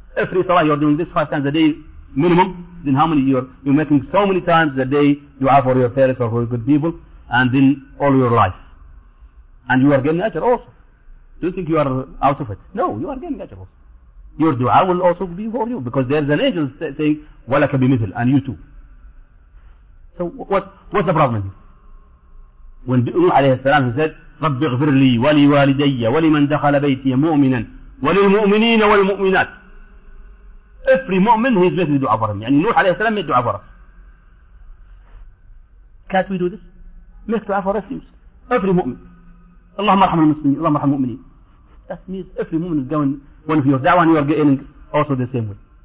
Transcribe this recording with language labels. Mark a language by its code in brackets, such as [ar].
[en] Every salah you're doing this 5 times a day minimum, then how many you're making so many times a day dua for your parents or for good people, and then all your life. And you are getting ajr also. Do you think you are out of it? No, you are getting ajr also. Your dua will also be for you, because there is an angel saying, [ar] وَلَكَ بِمِثِلْ, [en] and you too. So what's the problem here? When Nuh alayhi salam, he said, [ar] رَبِّ اغْفِرْ لِي وَلِي وَالِدَيَّ وَلِمَنْ دَخَلَ بَيْتِيَ مُؤْمِنًا وَلِلْمُؤْمِنِينَ وَالْمُؤْمِنَاتِ. [en] Every mu'min, he is making dua for him. Yani Nuh alayhi salam made dua for us. Can't we do this? make dua for Muslims. Every mu'min. Allahumma arham al-muslimin. Allahumma arham al-mu'minin. That means every mu'min is going one of yours. That one you are getting also the same way.